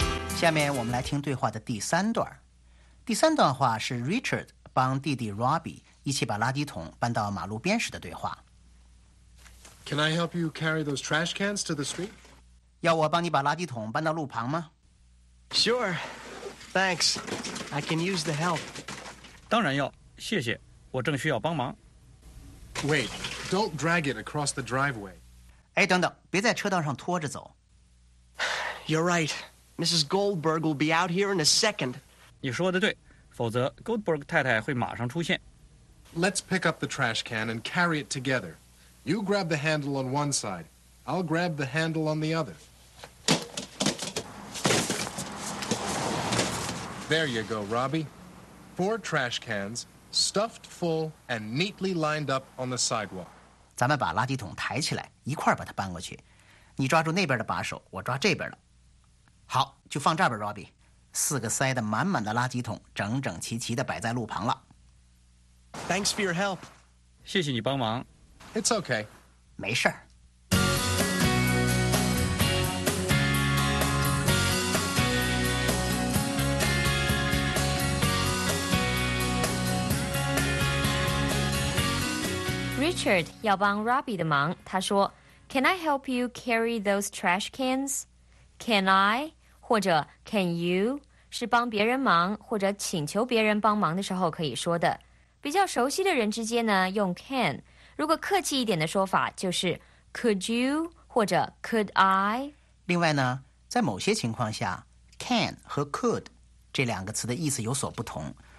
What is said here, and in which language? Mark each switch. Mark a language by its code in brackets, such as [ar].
[zh] 下面我们来听对话的第三段。第三段话是 Richard 帮弟弟 Robbie 一起把垃圾桶搬到马路边时的对话。 [en] Can I help you carry those trash cans to the street? [zh] 要我帮你把垃圾桶搬到路旁吗？ [en] Sure. Thanks. I can use the help. [zh] 当然要，谢谢，我正需要帮忙。 [en] Wait, don't drag it across the driveway. [zh] 哎，等等，别在车道上拖着走。 [en] You're right. Mrs. Goldberg will be out here in a second. [zh] 你说的对，否则 Goldberg 太太会马上出现。 [en] Let's pick up the trash can and carry it together. You grab the handle on one side. I'll grab the handle on the other. There you go, Robbie. 4 trash cans, stuffed full and neatly lined up on the sidewalk. [zh] 咱们把垃圾桶抬起来，一块把它搬过去。你抓住那边的把手，我抓这边的。好，就放这儿吧 ，Robbie。四个塞得满满的垃圾桶，整整齐齐地摆在路旁了。 [en] Thanks for your help。 [zh] 谢谢你帮忙。 [en] It's okay。 [zh] 没事儿。 Richard 要帮 Robbie 的忙，他说 ： [en] “Can I help you carry those trash cans? Can I?” [zh] 或者 [en] can you [zh] 是帮别人忙或者请求别人帮忙的时候可以说的。比较熟悉的人之间呢用 can， 如果客气一点的说法就是 [en] could you [zh] 或者 [en] could I。 [zh] 另外呢，在某些情况下 can 和 could 这两个词的意思有所不同。